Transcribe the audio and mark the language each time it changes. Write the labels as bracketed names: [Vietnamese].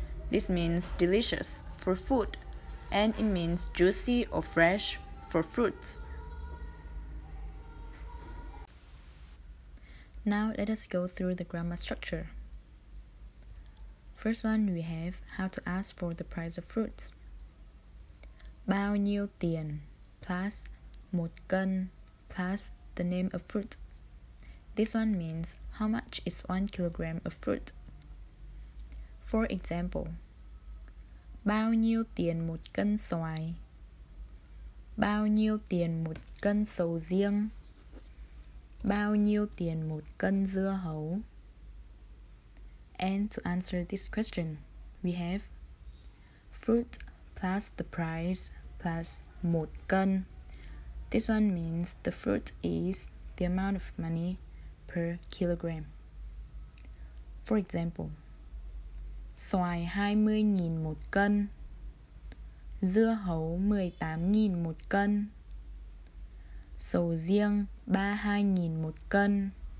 [English] This means delicious for food, and it means juicy or fresh for fruits. Now let us go through the grammar structure. First one, we have how to ask for the price of fruits. [Vietnamese] Bao nhiêu tiền [English] plus [Vietnamese] một cân [English] plus the name of fruit. This one means how much is 1 kilogram of fruit. For example, [Vietnamese] bao nhiêu tiền một cân xoài? Bao nhiêu tiền một cân sầu riêng? Bao nhiêu tiền một cân dưa hấu? [English] And to answer this question, we have fruit plus the price plus [Vietnamese] một cân. [English] This one means the fruit is the amount of money per kilogram. For example, [Vietnamese] xoài 20,000 một cân, dưa hấu 18,000 một cân, sầu riêng 32,000 một cân.